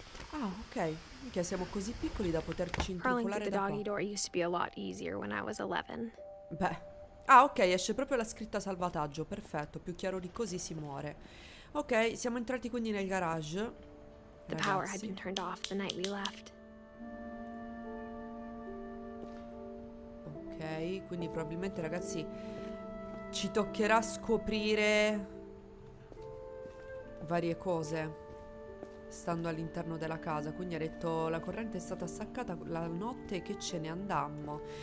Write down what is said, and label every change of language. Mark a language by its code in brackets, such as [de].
[it] Ah, ok. Perché siamo così piccoli da poterci intrufolare da qua. [en] Door used to be a lot easier when I was 11. Beh. [it] Ah, ok, esce proprio la scritta salvataggio, perfetto, più chiaro di così si muore. Ok, siamo entrati quindi nel garage. [en] The power had been turned off the night we left. [it] Ok, quindi probabilmente, ragazzi, ci toccherà scoprire varie cose stando all'interno della casa. Quindi ha detto: la corrente è stata staccata la notte che ce ne andammo.